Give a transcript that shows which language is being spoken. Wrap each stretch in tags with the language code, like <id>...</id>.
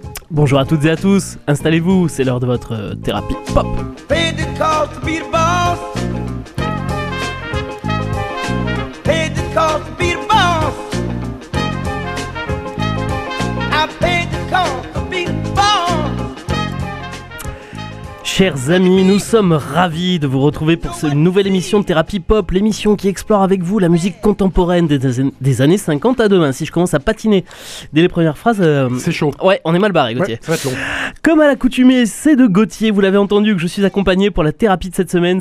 <fr>Bonjour à toutes et à tous, installez-vous, c'est l'heure de votre thérapie pop.</fr> <en>Pay the cost to be the boss. Pay the cost to be the boss. I pay the cost to be the boss.</en> <fr>Chers amis, nous sommes ravis de vous retrouver pour cette nouvelle émission de Thérapie Pop, l'émission qui explore avec vous la musique contemporaine des années 50 à demain. Si je commence à patiner dès les premières phrases... C'est chaud. Ouais, on est mal barré, Gauthier. Ouais, ça va être long. Comme à l'accoutumée, c'est de Gauthier, vous l'avez entendu, que je suis accompagné pour la thérapie de cette semaine.</fr>